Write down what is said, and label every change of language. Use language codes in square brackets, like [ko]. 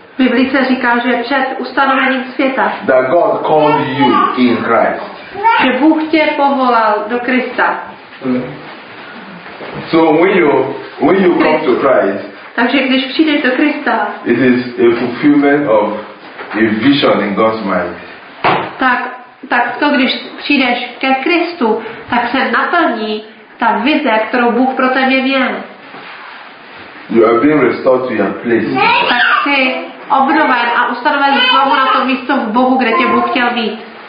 [cs] Biblice říká, že před ustanovením světa, [en] that God called you in Christ. [cs] Že Bůh tě povolal do Krista. [en] So when you come to Christ, [cs] takže když přijdeš do Krista, [en] it is a fulfillment of a vision in God's mind. [cs] Tak to, když přijdeš ke Kristu, tak se naplní ta vize, kterou Bůh pro tebe měl. [en] You are being restored to your place. [cs] Tak jsi obnoven a ustanoven znovu na to místo v Bohu, kde tě Bůh chtěl být.